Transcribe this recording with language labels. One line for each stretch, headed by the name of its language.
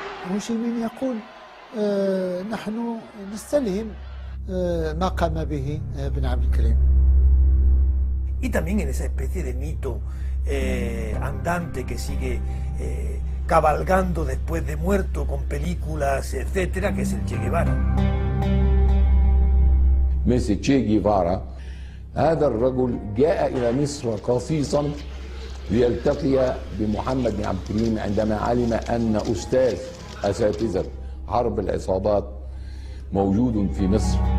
Arabic: المسلمين يقول نحن نستلهم ما قام به ابن عبد الكريم.
Spanish: Y también en esa especie de mito andante que sigue cabalgando después de muerto con películas, etcétera, que es el Che Guevara.
Arabic: مثل Che Guevara, هذا الرجل جاء إلى مصر قصيصا ليلتقي بمحمد بن عبد الكريم عندما علم أن أستاذ أساتذة حرب العصابات موجود في مصر.